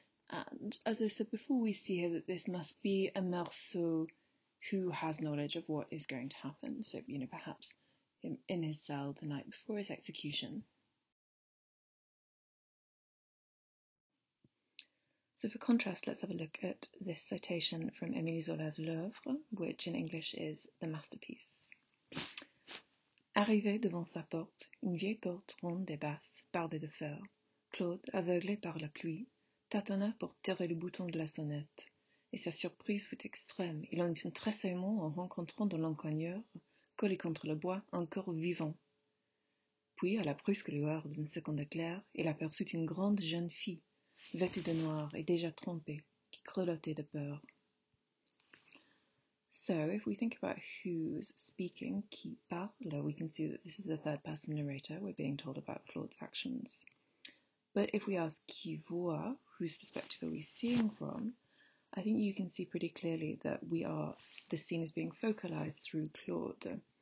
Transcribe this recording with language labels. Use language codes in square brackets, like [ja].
[en] And as I said before, we see here that this must be a Marceau who has knowledge of what is going to happen, so, you know, perhaps in his cell the night before his execution. So for contrast, let's have a look at this citation from Émile Zola's L'œuvre, which in English is The Masterpiece. [fr] Arrivé devant sa porte, une vieille porte ronde et basse, bardée de fer, Claude, aveuglé par la pluie, tâtonna pour tirer le bouton de la sonnette, et sa surprise fut extrême, il en eut un tressaillement en rencontrant dans l'encoigneur collé contre le bois, encore vivant. Puis, à la brusque lueur d'une seconde éclair, il aperçut une grande jeune fille, vêtue de noir et déjà trempée, qui grelottait de peur. [en] So, if we think about who's speaking, [fr] qui parle, [en] we can see that this is the third person narrator. We're being told about Claude's actions. But if we ask [fr] qui voit, [en] whose perspective are we seeing from, I think you can see pretty clearly that the scene is being focalized through Claude.